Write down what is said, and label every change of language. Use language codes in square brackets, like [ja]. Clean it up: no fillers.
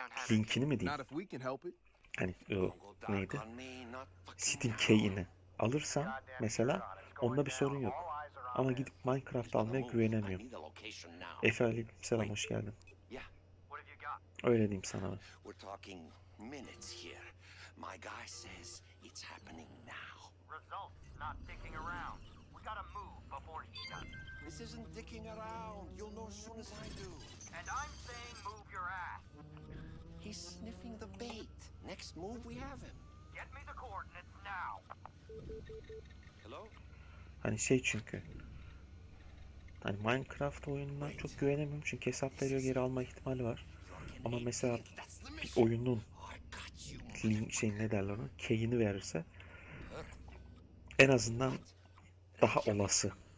[tr] Linkini mi diyeyim? Hani yok neydi? Steam key'ini alırsam mesela onda bir sorun yok. Ama gidip Minecraft almaya güvenemiyorum. Efe Ali, selam, hoş geldin. Öyle diyeyim sana. [en] We're talking minutes here. My guy says it's happening now. Results not dicking around. We gotta move before he does. This isn't dicking around. You'll know as soon as I do. And I'm saying move your ass. He's sniffing the bait. Next move we have him. Get me the coordinates now. [tr] Hello? Hani şey çünkü. Hani Minecraft oyununa çok güvenemiyorum çünkü hesap veriyor geri alma ihtimali var. Ama mesela bir oyunun link şey ne derler onu key'ini verirse en azından daha olası.